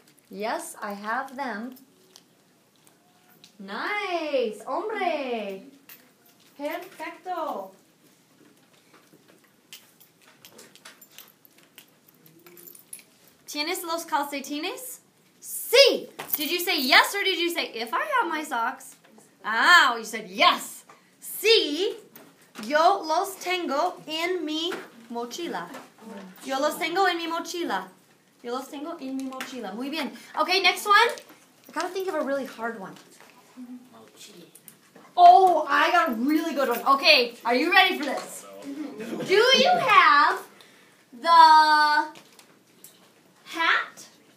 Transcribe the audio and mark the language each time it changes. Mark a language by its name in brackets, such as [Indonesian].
[English] Yes, I have them. Nice, hombre. [Spanish] Perfecto. ¿Tienes los calcetines? Sí. [English] Did you say yes or did you say if I have my socks? Ah, you said yes. Sí. [Spanish] Yo los tengo en mi mochila. Yo los tengo en mi mochila. Yo los tengo en mi mochila. Muy bien. [English] Okay, next one. I gotta think of a really hard one. Oh, I got a really good one. Okay, are you ready for this? Do you have the hat?